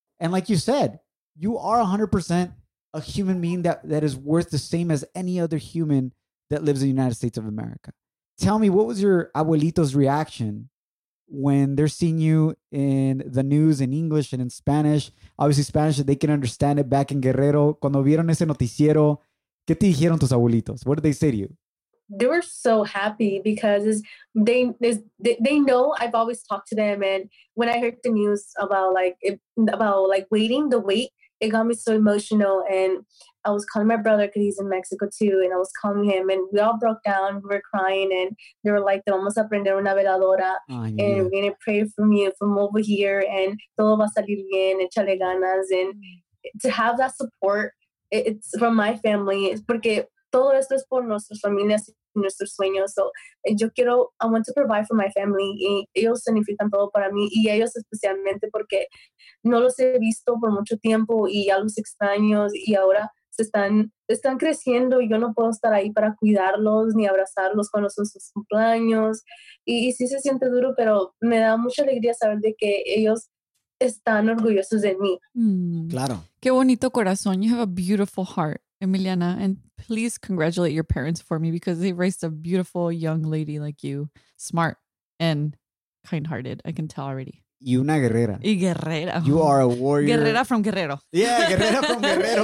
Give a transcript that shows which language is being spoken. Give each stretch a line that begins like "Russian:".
English: And like you said, you are 100% a human being that is worth the same as any other human that lives in the United States of America. Tell me, what was your abuelito's reaction when they're seeing you in the news in English and in Spanish? Obviously, Spanish, they can understand it back in Guerrero.
Spanish: Cuando vieron ese noticiero, ¿qué te dijeron tus abuelitos?
English: What did they say to you? They were so happy because they know I've always talked to them. And when I heard the news about waiting the wait, it got me so emotional. And I was calling my brother because he's in Mexico too. And I was calling him and we all broke down. We were crying and they were like,
Spanish: vamos a prender una veladora.
English: And we're going to pray for you from over here. And
Spanish: todo va a salir bien. Echale ganas.
English: And to have that support, it's from my family.
Spanish: It's porque todo esto es por nuestras familias y nuestros sueños.
English: So, I want to provide for my family.
Spanish: Y ellos significan todo para mí. Y ellos especialmente porque no los he visto por mucho tiempo. Y ya los extraño. Y ahora están creciendo. Y yo no puedo estar ahí para cuidarlos ni abrazarlos cuando son sus cumpleaños. Y sí se siente duro, pero me da mucha alegría saber de que ellos están orgullosos de mí. Claro. Qué bonito corazón.
English: You have a beautiful heart, Emiliana, and please congratulate your parents for me because they raised a beautiful young lady like you, smart and kind-hearted. I can tell already.
Spanish: Y una guerrera. Y guerrera.
English: You are a warrior. Guerrera from Guerrero. Yeah, guerrera from Guerrero.